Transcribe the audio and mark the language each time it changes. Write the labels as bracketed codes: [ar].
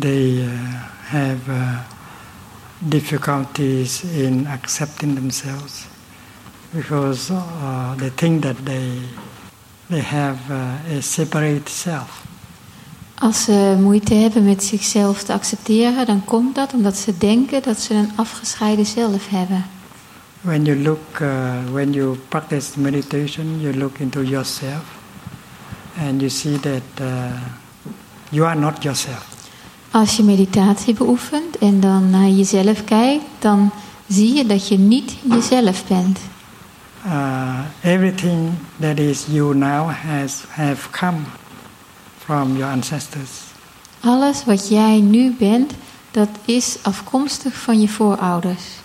[en] If they have difficulties in accepting themselves, because they think that they have a separate self. [nl] Als ze moeite hebben met zichzelf te accepteren, dan komt dat omdat ze denken dat ze een afgescheiden zelf hebben. [en] When you look, when you practice meditation, you look into yourself, and you see that. You are not yourself. [nl] Als je meditatie beoefent en dan naar jezelf kijkt, dan zie je dat je niet jezelf bent. [en] Everything that is you now have come from your ancestors. [nl] Alles wat jij nu bent, dat is afkomstig van je voorouders.